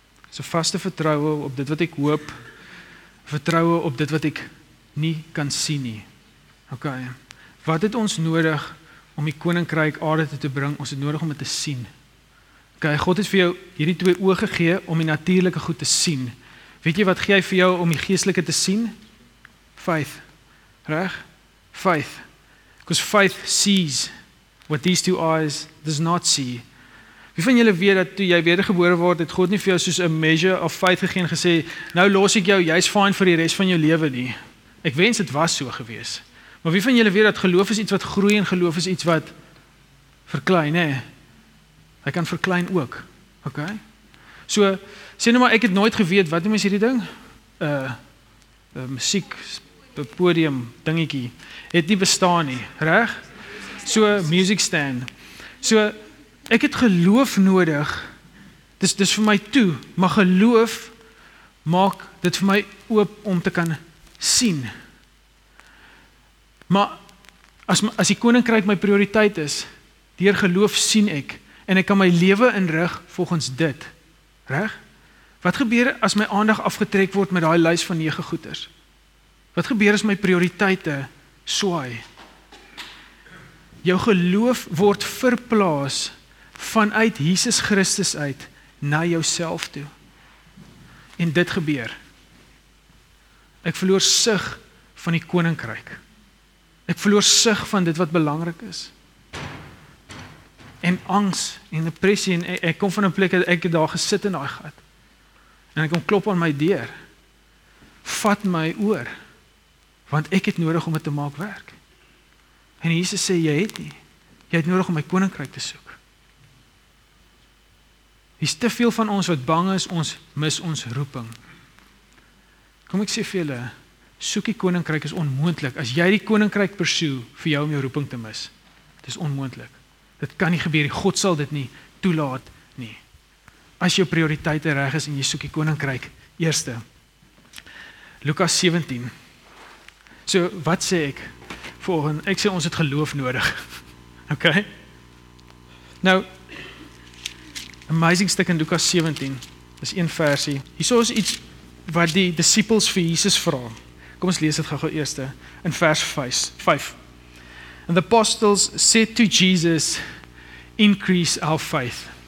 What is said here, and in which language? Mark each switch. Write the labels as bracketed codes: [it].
[af] Is 'n vaste vertroue op dit wat ek hoop, vertroue op dit wat ek nie kan sien nie. Ok, wat het ons nodig om die koninkryk aarde te bring? Ons het nodig om dit te sien. Ok, God het vir jou hierdie twee oë gegee om die natuurlike goed te sien. Weet jy wat gee hy vir jou om die geestelike te sien? [en] Faith, [af] reg? [en] Faith, because faith sees what these two eyes does not see. [af] Wie van julle weet dat toe jy wedergebore word, het God nie vir jou soos [en] a measure of faith [af] gegeen gesê, nou los ek jou, jy is fine vir die rest van jou leven nie. Ek wens het was so gewees. Maar wie van julle weet dat geloof is iets wat groei en geloof is iets wat verklein, hè? Hy kan verklein ook. Ok? So, sê nou maar, ek het nooit geweet, wat noem is hierdie ding? Muziek, podium, dingiekie, het nie bestaan nie. Reg? [en] So, music stand. [af] So, ek het geloof nodig, dis vir my toe, maar geloof maak dit vir my oop om te kan sien. Maar, as die koninkryk my prioriteit is, deur geloof sien ek, en ek kan my lewe inrig volgens dit. Reg? Wat gebeur as my aandag afgetrek word met daai lys van 9 goeders? Wat gebeur as my prioriteite swaai? Jou geloof word verplaas vanuit Jesus Christus uit na jouself toe. En dit gebeur. Ek verloor sig van die koninkryk. Ek verloor sig van dit wat belangrik is. En angs en depressie en ek kom van 'n plek dat ek daar gesit in daai gat. En ek kom klop aan my deur. Vat my oor. Want ek het nodig om dit te maak werk. En Jesus sê, jy het nie. Jy het nodig om my koninkryk te soek. Hier is te veel van ons wat bang is, ons mis ons roeping. Kom ek sê vir julle, soek die koninkryk is onmoontlik. As jy die koninkryk pursue vir jou om jou roeping te mis, dit is onmoontlik. Dit kan nie gebeur, God sal dit nie toelaat nie. As jou prioriteite reg is en jy soek die koninkryk, eerste. Lukas 17. So, wat sê ek? Volgende, ek sê ons het geloof nodig. Ok? Nou, amazing stuk in Lukas 17, is een versie. Hier is iets wat die disciples vir Jesus vraag. Kom ons lees het gauw eerste, in vers 5. [en] And the apostles said to Jesus, increase our faith.